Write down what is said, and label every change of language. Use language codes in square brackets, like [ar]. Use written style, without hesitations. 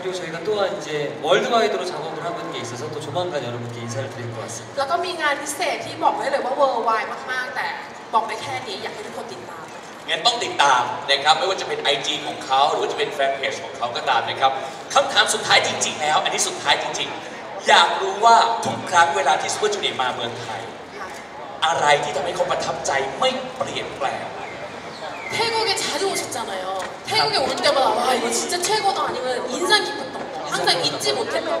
[ko] 그리고 저희가 또 이제 월드와이드로 작업을 하고 있는 게 있어서 또 조만간 여러분께 인사를 드릴 것 같습니다. [th] แล้วก็มีงานพิเศษที่บอกได้เลยว่า worldwide มากๆแต่บอกได้แค่นี้อยากให้ทุกคนติดตาม งั้นต้องติดตามนะครับไม่ว่าจะเป็น IG ของเขาหรือจะเป็นแฟนเพจของเขาก็ตามนะครับคำถามสุดท้ายจริงๆแล้วอันนี้สุดท้ายจริงๆอยากรู้ว่าทุกครั้งเวลาที่ซูเปอร์จูเนียร์มาเมืองไทยอะไรที่ทำให้เขาประทับใจไม่เปลี่ยนแปลง [ko] เทโกะ자주 오셨잖아요 เทโกะ가 올 때마다 와 이거 진짜 최고다 아니면 인상 깊었던 거 항상 잊지 못했던